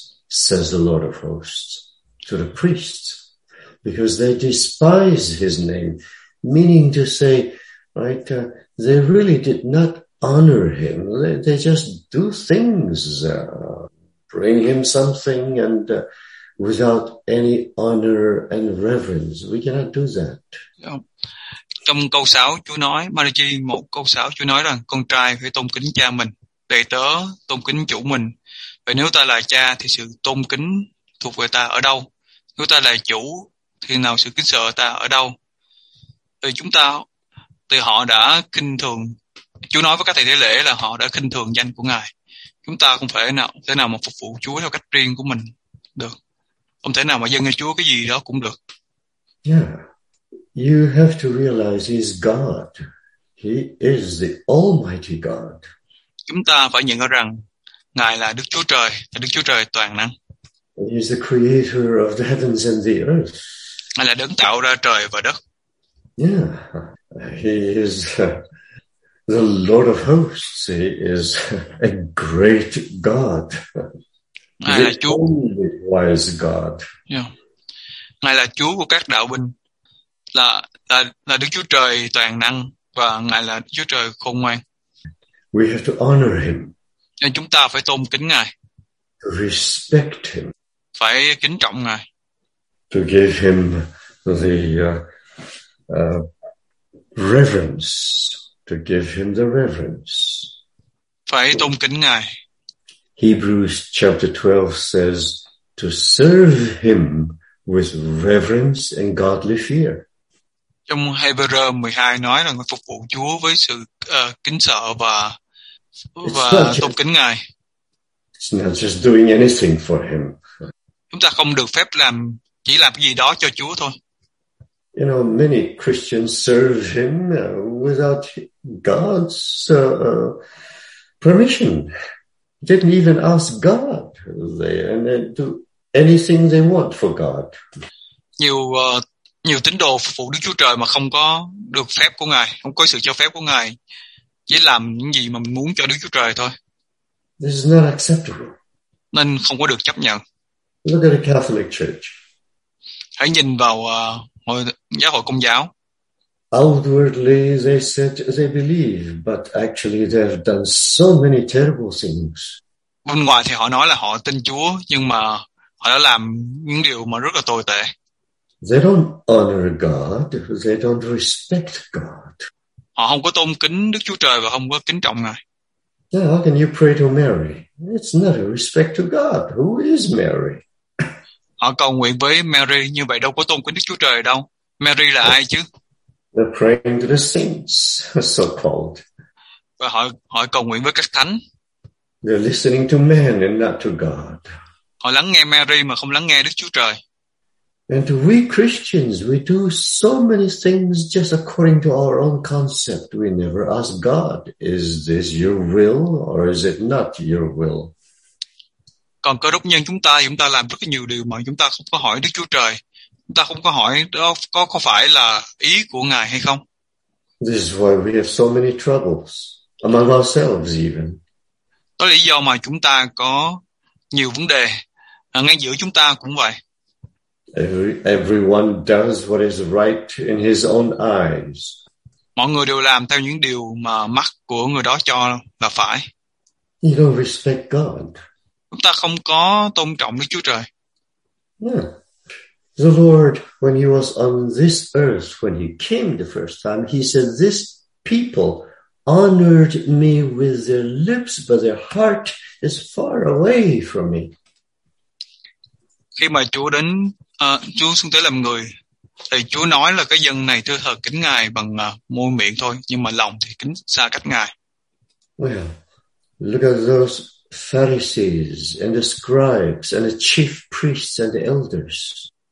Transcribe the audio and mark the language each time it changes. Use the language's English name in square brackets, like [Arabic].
[English] Says the Lord of hosts to the priests, because they despise his name, meaning to say, right, they really did not honor him. They just do things, bring him something, and without any honor and reverence. We cannot do that. [Vietnamese] Trong câu 6, Chúa nói, Malachi 1 câu 6, Chúa nói rằng, con trai phải tôn kính cha mình, đệ tớ tôn kính chủ mình. Và nếu ta là cha thì sự tôn kính thuộc về ta ở đâu? Nếu ta là chủ thì nào sự kính sợ ta ở đâu? Thì chúng ta, thì họ đã khinh thường, Chúa nói với các thầy tế lễ là họ đã khinh thường danh của Ngài. Chúng ta không thể nào mà phục vụ Chúa theo cách riêng của mình được. Không thể nào mà dâng cho Chúa cái gì đó cũng được. [English] Yeah, you have to realize He's God. He is the Almighty God. [Vietnamese] Chúng ta phải nhận ra rằng Ngài là Đức Chúa Trời, là Đức Chúa Trời toàn năng. [English] He is the creator of the heavens and the earth. [Vietnamese] Ngài là đấng tạo ra trời và đất. [English] Yeah. He is the Lord of hosts. He is a great God. [Vietnamese] Ngài là Chúa. [English] Only wise God. Yeah. [Vietnamese] Ngài là Chúa của các đạo binh. Là Đức Chúa Trời toàn năng và Ngài là Đức Chúa Trời khôn ngoan. [English] We have to honor him. [Vietnamese] Nên chúng ta phải tôn kính Ngài. [English] Respect him. [Vietnamese] Phải kính trọng Ngài. [English] To give him the reverence. To give him the reverence. [Vietnamese] Phải tôn kính Ngài. [English] Hebrews chapter 12 says to serve him with reverence and godly fear. [Vietnamese] Trong Hebrews 12 nói là phục vụ Chúa với sự kính sợ và tôn kính Ngài. [English] It's not just doing anything for him. [Vietnamese] Chúng ta không được phép làm chỉ làm cái gì đó cho Chúa thôi. [English] You know, many Christians serve him without God's permission. Didn't even ask God. They do anything they want for God. [Vietnamese] Nhiều tín đồ phục vụ Đức Chúa Trời mà không có được phép của Ngài, không có sự cho phép của Ngài. Chỉ làm những gì mà mình muốn cho Đức Chúa Trời thôi. [English] This is not acceptable. [Vietnamese] Nên không có được chấp nhận. [English] Look at the Catholic Church. [Vietnamese] Hãy nhìn vào giáo hội Công giáo. [English] Outwardly they said they believe, but actually they have done so many terrible things. [Vietnamese] Bên ngoài thì họ nói là họ tin Chúa, nhưng mà họ đã làm những điều mà rất là tồi tệ. [English] They don't honor God, they don't respect God. [Vietnamese] Họ không có tôn kính Đức Chúa Trời và không có kính trọng Ngài. [English] Yeah, how can you pray to Mary? It's not a respect to God. Who is Mary? [Vietnamese] Họ cầu nguyện với Mary như vậy đâu có tôn kính Đức Chúa Trời đâu. Mary là ai chứ? [English] They're praying to the saints, so-called. [Vietnamese] Và họ cầu nguyện với các thánh. [English] They're listening to men and not to God. [Vietnamese] Họ lắng nghe Mary mà không lắng nghe Đức Chúa Trời. [English] And we Christians, we do so many things just according to our own concept. We never ask God, is this your will or is it not your will? [Vietnamese] Còn cơ đốc nhân chúng ta làm rất nhiều điều mà chúng ta không có hỏi Đức Chúa Trời. Chúng ta không có hỏi đó có phải là ý của Ngài hay không? [English] This is why we have so many troubles among ourselves even. [Vietnamese] Đó là lý do mà chúng ta có nhiều vấn đề ngay giữa chúng ta cũng vậy. [English] Everyone does what is right in his own eyes. [Vietnamese] Mọi người đều làm theo những điều mà mắt của người đó cho là phải. [English] You don't respect God. [Vietnamese] Chúng ta không có tôn trọng Đức Chúa Trời. [English] Yeah. The Lord, when he was on this earth, when he came the first time, he said, "This people honored me with their lips, but their heart is far away from me." [Vietnamese] Khi mà Chúa đến, Chúa xuống tới làm người, thì Chúa nói là cái dân này thưa thờ kính Ngài bằng môi miệng thôi, nhưng mà lòng thì kính xa cách Ngài. [English] Well, look at those Pharisees and the scribes and the chief priests and the elders.